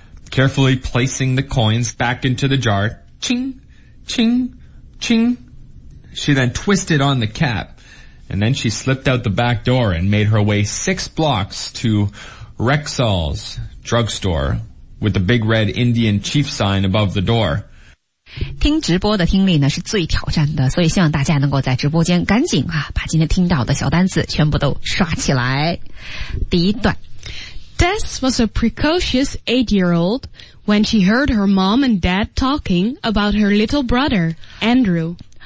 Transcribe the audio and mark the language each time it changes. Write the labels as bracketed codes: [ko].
[en] Carefully placing the coins back into the jar, ching, ching,Ching. She then twisted on the cap, and then she slipped out the back door and made her way 6 blocks to Rexall's drugstore with the big red Indian chief sign above the door. [zh] 听直播的听力呢是最挑战的，所以希望大家能够在直播间赶紧啊，把今天听到的小单词全部都刷起来。第一段 [en] ，Tess was a precocious 8-year-old when she heard her mom and dad talking about her little brother Andrew.